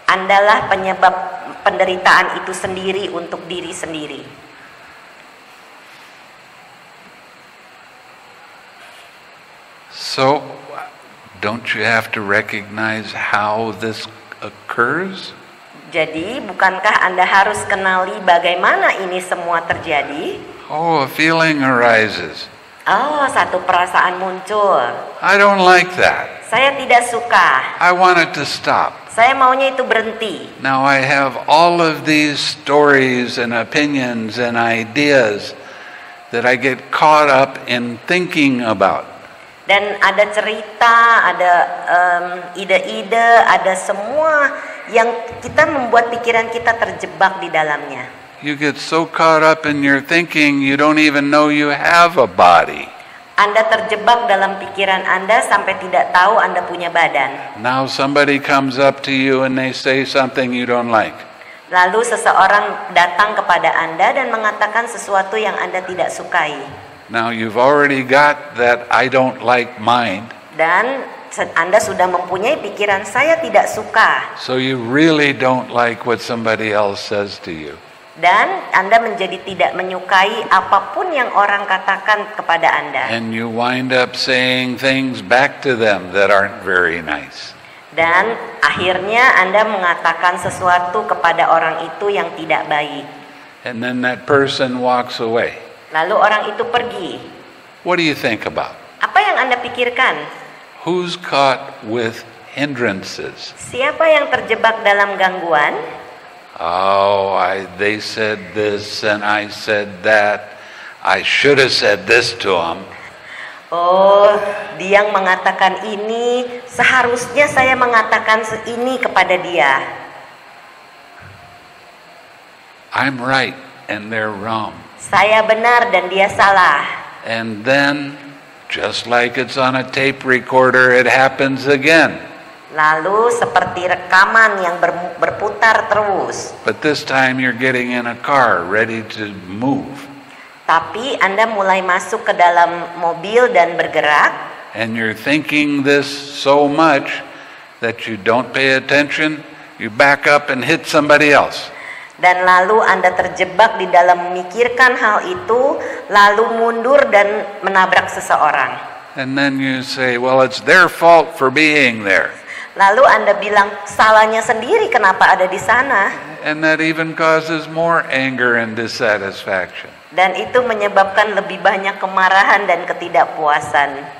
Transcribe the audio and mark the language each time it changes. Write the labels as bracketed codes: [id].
[id] Andalah penyebab penderitaan itu sendiri untuk diri sendiri. [en] So, don't you have to recognize how this occurs? [id] Jadi, bukankah Anda harus kenali bagaimana ini semua terjadi? [en] Oh, a feeling arises. [id] Oh, satu perasaan muncul. [en] I don't like that. [id] Saya tidak suka. [en] I want it to stop. [id] Saya maunya itu berhenti. [en] Now I have all of these stories and opinions and ideas that I get caught up in thinking about. [id] Dan ada cerita, ada ide-ide, ada semua yang kita membuat pikiran kita terjebak di dalamnya. [en] You get so caught up in your thinking, you don't even know you have a body. [id] Anda terjebak dalam pikiran Anda sampai tidak tahu Anda punya badan. [en] Now somebody comes up to you and they say something you don't like. [id] Lalu seseorang datang kepada Anda dan mengatakan sesuatu yang Anda tidak sukai. [en] Now you've already got that I don't like mind. [id] Dan Anda sudah mempunyai pikiran saya tidak suka. [en] So you really don't like what somebody else says to you. [id] Dan Anda menjadi tidak menyukai apapun yang orang katakan kepada Anda. [en] And you wind up saying things back to them that aren't very nice. [id] Dan akhirnya Anda mengatakan sesuatu kepada orang itu yang tidak baik. [en] And then that person walks away. [id] Lalu orang itu pergi. [en] What do you think about? [id] Apa yang Anda pikirkan? [en] Who's caught with hindrances? [id] Siapa yang terjebak dalam gangguan? [en] Oh, they said this and I said that. I should have said this to him. [id] Oh, dia mengatakan ini, seharusnya saya mengatakan ini kepada dia. [en] I'm right and they're wrong. [id] Saya benar dan dia salah. [en] And then just like it's on a tape recorder, it happens again. [id] Lalu seperti rekaman yang berputar terus. [en] But this time you're getting in a car ready to move. [id] Tapi Anda mulai masuk ke dalam mobil dan bergerak. [en] And you're thinking this so much that you don't pay attention, you back up and hit somebody else. [id] Dan lalu Anda terjebak di dalam memikirkan hal itu, lalu mundur dan menabrak seseorang. [en] And then you say, well, it's their fault for being there. [id] Lalu Anda bilang salahnya sendiri kenapa ada di sana. [en] And that even causes more anger and dissatisfaction. [id] Dan itu menyebabkan lebih banyak kemarahan dan ketidakpuasan.